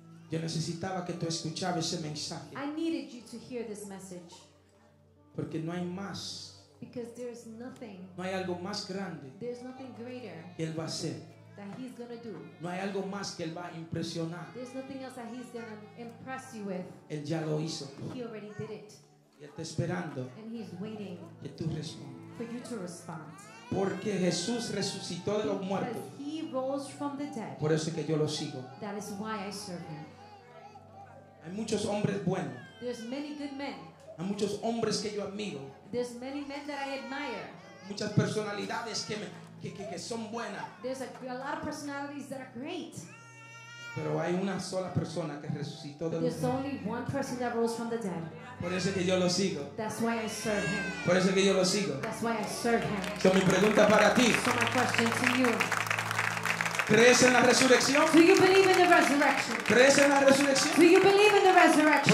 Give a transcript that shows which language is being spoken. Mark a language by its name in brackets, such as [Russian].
[Spanish] Yo necesitaba que tú escuchabas ese mensaje. [English] I needed you to hear this message. [Spanish] Porque no hay más. [English] Because there is nothing. [Spanish] No hay algo más grande. [English] There's nothing greater. [Spanish] Que él va a hacer. [English] That he's gonna do. [Spanish] No hay algo más que él va a impresionar. [English] There's nothing else that he's gonna impress you with. [Spanish] Él ya lo hizo. [English] He already did it. [Spanish] Y está esperando. [English] And he's waiting. [Spanish] Que tú respondas. [English] For you to respond. [Spanish] Porque Jesús resucitó de los muertos. [English] He rose from the dead. [Spanish] Por eso es que yo lo sigo. [English] That is why I serve him. [Spanish] Hay muchos hombres buenos. [English] There's many good men. [Spanish] Hay muchos hombres que yo admiro. [English] There's many men that I admire. [Spanish] Muchas personalidades que son buenas. [English] There's a lot of personalities that are great. [Spanish] Pero hay una sola persona que resucitó de los muertos. [English] There's only one person that rose from the dead. [Spanish] Por eso es que yo lo sigo. [English] That's why I serve him. [Spanish] Por eso es que yo lo sigo. [English] That's why I serve him. [Spanish] So mi pregunta para ti. [English] So my question to you. [Spanish] ¿Crees en la resurrección? [English] Do you believe in the resurrection? [Spanish] ¿Crees en la resurrección? [English] Do you believe in the resurrection?